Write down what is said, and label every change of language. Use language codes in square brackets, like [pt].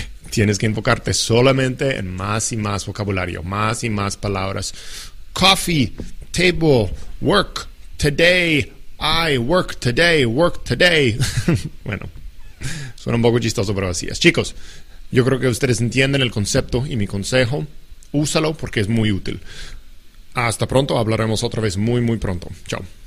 [es] Tienes que enfocarte solamente en más y más vocabulario, más y más palabras. [en] Coffee, table, work, today, I work today, work today. [es] Bueno, suena un poco chistoso, pero así es. Chicos, yo creo que ustedes entienden el concepto y mi consejo. Úsalo porque es muy útil. Hasta pronto. Hablaremos otra vez muy, muy pronto. Chao.